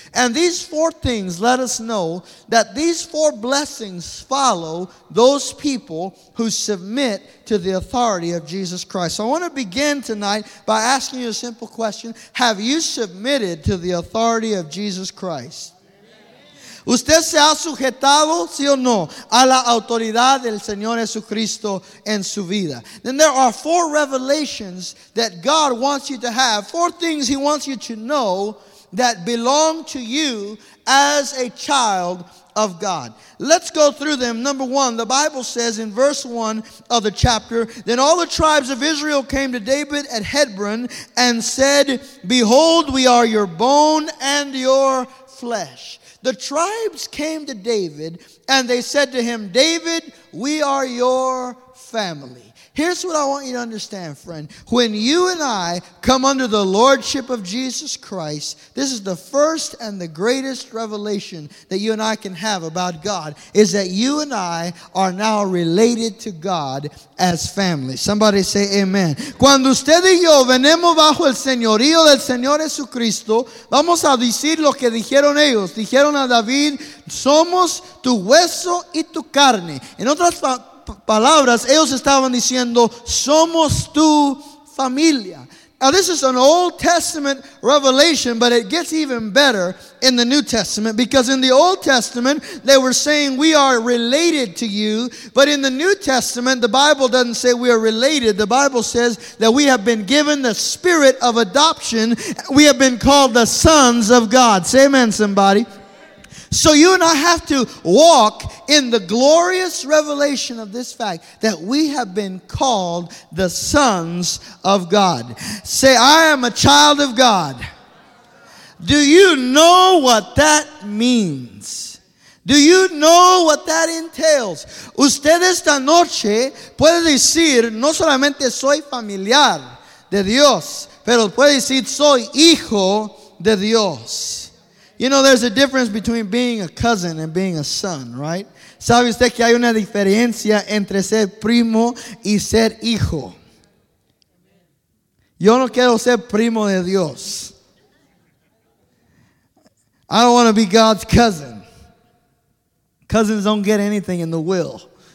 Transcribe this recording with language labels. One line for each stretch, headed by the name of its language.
English: And these four things let us know that these four blessings follow those people who submit to the authority of Jesus Christ. So I want to begin tonight by asking you a simple question. Have you submitted to the authority of Jesus Christ?
Spanish: ¿Usted se ha sujetado, sí o no, a la autoridad del Señor Jesucristo en su vida?
English: Then there are four revelations that God wants you to have, four things He wants you to know that belong to you as a child of God. Let's go through them. Number one, the Bible says in verse 1 of the chapter, then all the tribes of Israel came to David at Hebron and said, behold, we are your bone and your flesh. The tribes came to David and they said to him, David, we are your family. Here's what I want you to understand, friend. When you and I come under the lordship of Jesus Christ, this is the first and the greatest revelation that you and I can have about God, is that you and I are now related to God as family. Somebody say amen.
Spanish: Cuando usted y yo venimos bajo el señorío del Señor Jesucristo, vamos a decir lo que dijeron ellos. Dijeron a David, somos tu hueso y tu carne. En otras palabras, ellos estaban diciendo, somos tu familia.
English: Now, this is an Old Testament revelation, but it gets even better in the New Testament, because in the Old Testament, they were saying, we are related to you, but in the New Testament, the Bible doesn't say we are related. The Bible says that we have been given the spirit of adoption. We have been called the sons of God. Say amen, somebody. So you and I have to walk in the glorious revelation of this fact that we have been called the sons of God. Say, I am a child of God. Do you know what that means? Do you know what that entails?
Spanish: Usted esta noche puede decir, no solamente soy familiar de Dios, pero puede decir, soy hijo de Dios.
English: You know, there's a difference between being a cousin and being a son, right?
Spanish: ¿Sabe usted que hay una diferencia entre ser primo y ser hijo? Yo no quiero ser primo de Dios.
English: I don't want to be God's cousin. Cousins don't get anything in the will.